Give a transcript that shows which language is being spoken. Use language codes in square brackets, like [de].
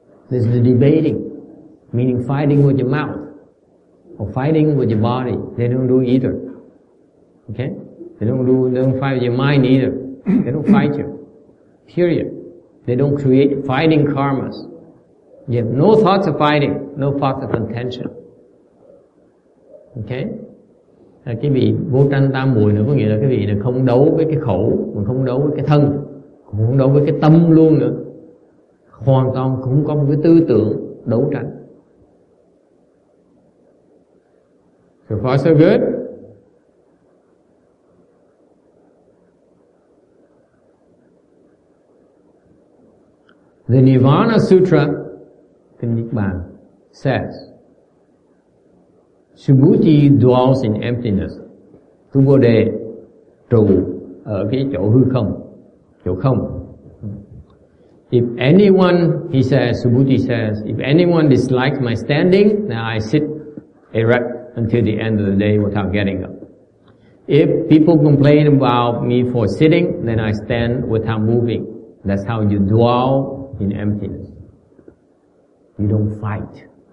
[en] There's the debating, meaning fighting with your mouth or fighting with your body. They don't do either. Okay? They don't fight with your mind either. They don't fight you. Period. They don't create fighting karmas. You have no thoughts of fighting, no thoughts of contention. Okay? [vi] Cái vị vô tranh tam muội nữa có nghĩa là cái vị là không đấu với cái khẩu, mà không đấu với cái thân, cũng không đấu với cái tâm luôn nữa. Hoàn toàn không có một cái tư tưởng đấu tranh. [en] So far so good? The Nirvana Sutra, Kinh Niết Bàn, says, Subhuti dwells in emptiness. [vi] Tu Bồ Đề trụ ở cái chỗ hư không, chỗ không. [en] If anyone, he says, Subhuti says, if anyone dislikes my standing, then I sit erect until the end of the day without getting up. If people complain about me for sitting, then I stand without moving. That's how you dwell in emptiness. You don't fight.